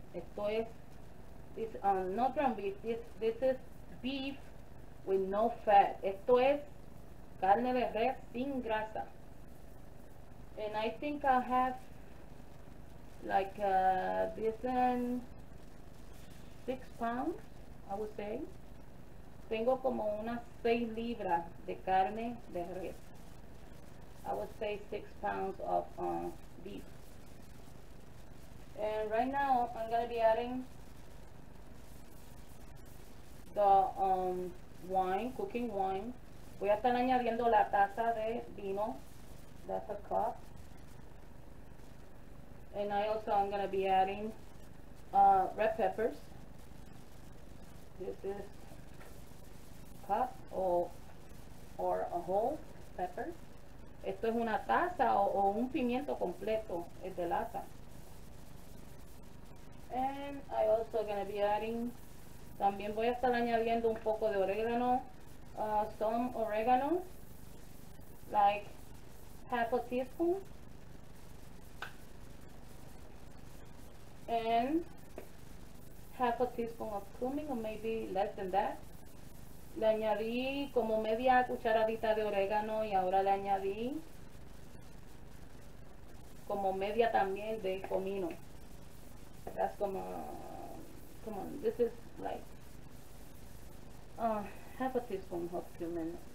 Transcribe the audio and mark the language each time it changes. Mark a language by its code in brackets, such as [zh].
[es] Esto es, [en] this, no ground beef, this is beef with no fat. [es] Esto es carne de res sin grasa. [en] And I think I have like this and 6 pounds, I would say. [es] Tengo como unas 6 libras de carne de res. [en] I would say 6 pounds of beef. And right now I'm going to be adding the wine, cooking wine. [es] Voy a estar añadiendo la taza de vino. [en] That's a cup. And I also I'm going to be adding red peppers. This is or a whole pepper. [es] Esto es una taza o un pimiento completo, es de lata. [en] And I also gonna be adding, [es] también voy a estar añadiendo un poco de orégano, [en] some oregano, like half a teaspoon. And half a teaspoon of cumin, or maybe less than that. [es] Le añadí como media cucharadita de orégano y ahora le añadí como media también de comino. [en] That's [es] como, [en] come on, this is like half a teaspoon of cumin.